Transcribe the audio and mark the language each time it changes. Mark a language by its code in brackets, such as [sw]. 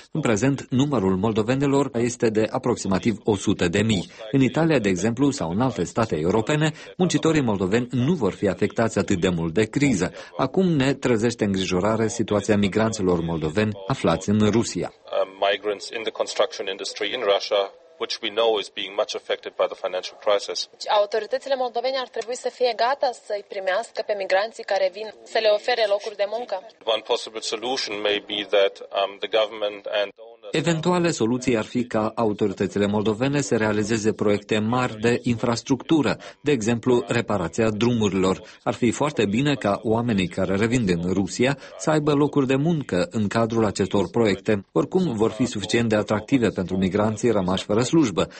[ro] În prezent, numărul moldovenilor este de aproximativ 100.000. În Italia, de exemplu, sau în alte state europene, muncitorii moldoveni nu vor fi afectați atât de mult de criză. Acum ne trezește îngrijorare situația migranților moldoveni aflați în Rusia. [en] Migrants in the construction industry in Russia, which we know is being much affected by the financial crisis. [ro] Autoritățile moldovene ar trebui să fie gata să îi primească pe migranții care vin, să le ofere locuri de muncă. [en] One possible solution may be that the government and [ro] eventuale soluții ar fi ca autoritățile moldovene să realizeze proiecte mari de infrastructură, de exemplu reparația drumurilor. Ar fi foarte bine ca oamenii care revin din Rusia să aibă locuri de muncă în cadrul acestor proiecte. Oricum, vor fi suficient de atractive pentru migranții rămași fără slujbă.